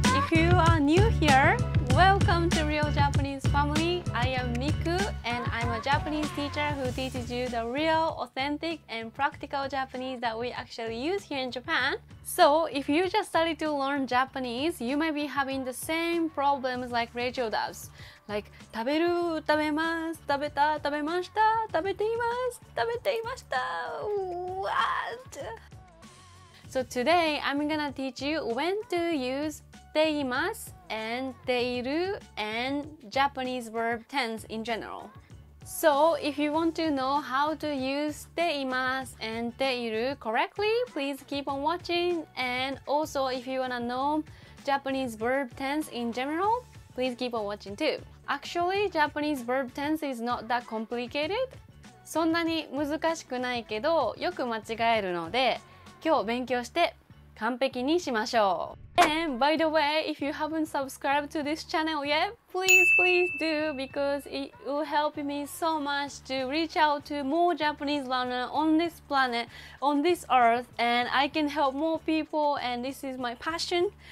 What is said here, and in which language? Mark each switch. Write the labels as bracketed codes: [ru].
[en] If you are new here, welcome to Real Japanese Family. I am Miku, and I'm a Japanese teacher who teaches you the real, authentic, and practical Japanese that we actually use here in Japan. So, if you just started to learn Japanese, you might be having the same problems like Rachel does. [ja] Like, 食べる、食べます、食べた、食べました、食べています、食べていました。 [en] What? So today, I'm gonna teach you when to use teimasu and teiru and Japanese verb tense in general. So if you want to know how to use teimasu and teiru correctly, please keep on watching. And also if you wanna know Japanese verb tense in general, please keep on watching too. Actually, Japanese verb tense is not that complicated. [ja] そんなに難しくないけど、よく間違えるので、今日勉強して完璧にしましょう。 [en] And by the way, if you haven't subscribed to this channel yet, please, please do, because it will help me so much to reach out to more Japanese learners on this planet, on this earth, and I can help more people, and this is my passion.